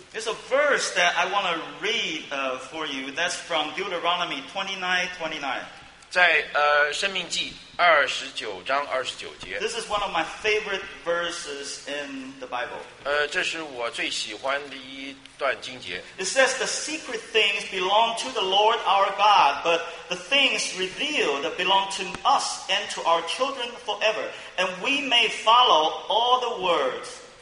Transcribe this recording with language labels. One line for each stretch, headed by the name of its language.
English: There's a verse that I want to read for you. That's from Deuteronomy 29:29.
Chinese: 在生命记二十九章二十九节。
English: This is one of my favorite verses in the Bible.
Chinese: 这是我最喜欢的一段经节。
English: It says the secret things belong to the Lord our God, but the things revealed belong to us and to our children forever, and we may follow all the words.